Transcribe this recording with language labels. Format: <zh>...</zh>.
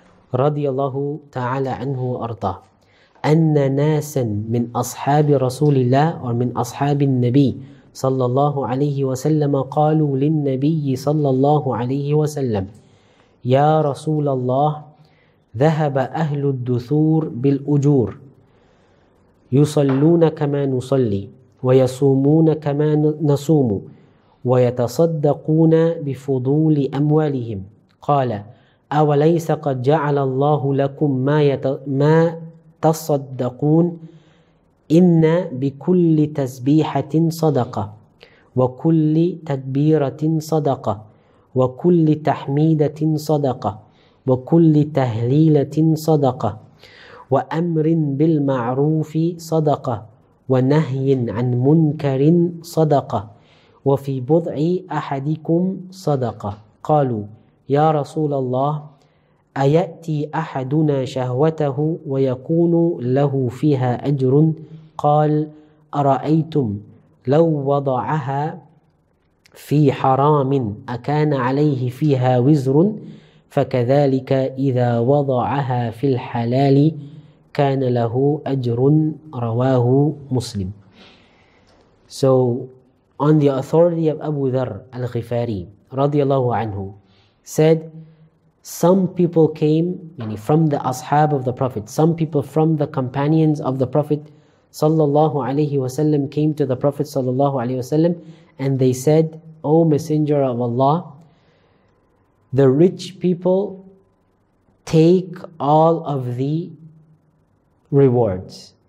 <ar>radiyallahu ta'ala anhu arda, anna nasan min ashabi rasulillah, or min ashabi nabi sallallahu alayhi wa sallam, qalu lin-nabi sallallahu alayhi wa sallam, ya rasulallah, ذهب أهل الدثور بالأجور يصلون كما نصلي ويصومون كما نصوم ويتصدقون بفضول أموالهم. قال أوليس قد جعل الله لكم ما تصدقون, إن بكل تسبيحة صدقة وكل تكبيرة صدقة وكل تحميدة صدقة وكل تهليلة صدقة وأمر بالمعروف صدقة ونهي عن منكر صدقة وفي بضع أحدكم صدقة. قالوا يا رسول الله, أيأتي أحدنا شهوته ويكون له فيها أجر؟ قال أرأيتم لو وضعها في حرام أكان عليه فيها وزر؟ فَكَذَلِكَ إِذَا وَضَعَهَا فِي الْحَلَالِ كَانَ لَهُ أَجْرٌ رَوَاهُ مُسْلِمٌ.</ar> <en>So, on the authority of Abu Dharr al-Ghifari radiallahu anhu, said, some people came, meaning from the ashab of the Prophet, some people from the companions of the Prophet sallallahu alayhi wasallam came to the Prophet sallallahu alayhi wasallam, and they said, O Messenger of Allah, the rich people take all of the rewards.</en>